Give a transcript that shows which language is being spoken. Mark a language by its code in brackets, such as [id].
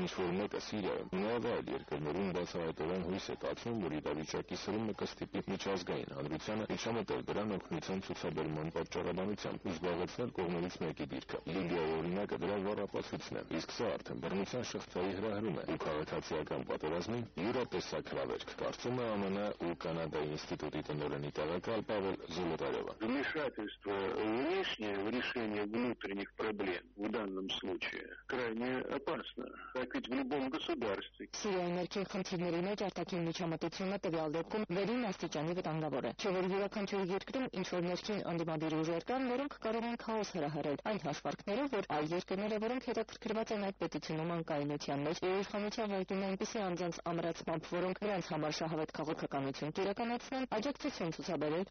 [hy] ինչ որ մեկը Սիրիայում, նաև այլ երկրներում բացահայտորեն հույս է տացնում, որ իրավիճակի սրումը կստիպի միջազգային հանրությանը միջամտել դրան օգնության ցուցաբերման պատճառաբանությամբ ու զբաղեցնել կողմերից մեկի դիրքը։ Լիբիայի օրինակը դրա վառապացույցն է, իսկ սա արդեն բռնության շղթայի հրահրում է ու քաղաքացիական պատերազմի յուրատեսակ հրավերք, կարծում է ԱՄՆ ու Կանադայի ինստիտուտի տնօրենի տեղակալ Պավել Զոլոտարևը։ [ru] Вмешательство внешнее в решение внутренних проблем в данном случае крайне опасно, как ведь в любом государстве. [hy] Սիրիայի ներքին խնդիրների մեջ արտաքին միջամտությունը տվյալ դեպքում վերին աստիճանի վտանգավոր է, չէ՞ որ յուրաքանչյուր երկրում ինչ որ ներքին անդիմադիր ուժեր կան, որոնք կարող են քաոս հրահրել, այն հաշվարկներով, որ այլ երկրները, որոնք հետաքրքրված են այդ պետությունում անկայունության մեջ, ու իշխանության վայրտում այնպիսի անձանց ամրացմամբ, որոնք նրանց համար շահավետ քաղաքականություն կիրականացնեն, աջակցություն ցուցաբերել